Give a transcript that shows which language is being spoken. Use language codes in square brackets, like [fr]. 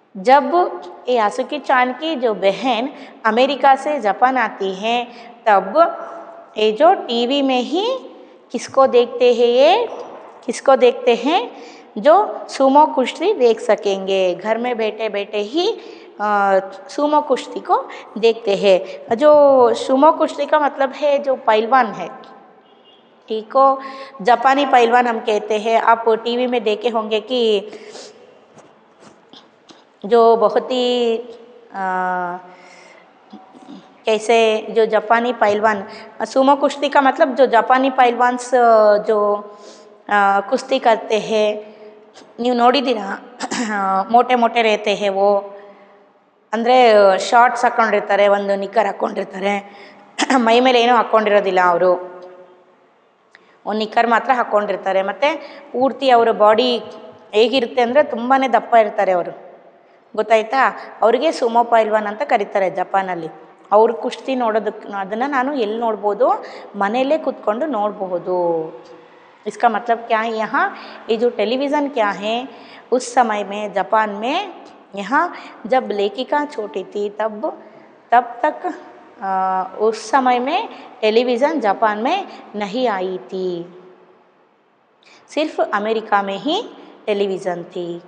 [hi] जब यासुकीचान की जो बहन अमेरिका से जापान आती है, तब ये जो टीवी में ही किसको देखते हैं, ये किसको देखते हैं, जो सुमो कुश्ती देख सकेंगे, घर में बैठे बैठे ही सुमो कुश्ती को देखते हैं। जो सुमो कुश्ती का मतलब है जो पहलवान है, ठीक हो, जापानी पहलवान हम कहते हैं। आप टीवी में देखे होंगे कि जो बहुत ही कैसे जो जापानी पहलवान, सुमो कुश्ती का मतलब जो जापानी पहलवान जो कुश्ती करते हैं, [kn] ನೀವು ನೋಡಿದ್ದೀರಾ, ಮೋಟೆ ಮೋಟೆ ರೇತೆ ಹೇವೋ ಅಂದರೆ ಶಾರ್ಟ್ಸ್ ಹಾಕ್ಕೊಂಡಿರ್ತಾರೆ, ಒಂದು ನಿಕ್ಕರ್ ಹಾಕ್ಕೊಂಡಿರ್ತಾರೆ, ಮೈ ಮೇಲೆ ಏನೂ ಹಾಕ್ಕೊಂಡಿರೋದಿಲ್ಲ, ಅವರು ಒಂದು ನಿಕ್ಕರ್ ಮಾತ್ರ ಹಾಕ್ಕೊಂಡಿರ್ತಾರೆ, ಮತ್ತು ಪೂರ್ತಿ ಅವರ ಬಾಡಿ ಹೇಗಿರುತ್ತೆ ಅಂದರೆ ತುಂಬಾ ದಪ್ಪ ಇರ್ತಾರೆ ಅವರು, ಗೊತ್ತಾಯ್ತಾ, ಅವರಿಗೆ ಸುಮೋ ಪೈಲ್ವಾನ್ ಅಂತ ಕರೀತಾರೆ ಜಪಾನಲ್ಲಿ। ಅವ್ರ ಕುಸ್ತಿ ನೋಡೋದಕ್ಕೆ ಅದನ್ನು ನಾನು ಎಲ್ಲಿ ನೋಡ್ಬೋದು, ಮನೆಯಲ್ಲೇ ಕೂತ್ಕೊಂಡು ನೋಡಬಹುದು। [hi] इसका मतलब क्या है, यहाँ ये जो टेलीविज़न क्या है, उस समय में जापान में, यहाँ जब लेखिका छोटी थी तब तक उस समय में टेलीविज़न जापान में नहीं आई थी, सिर्फ अमेरिका में ही टेलीविज़न थी।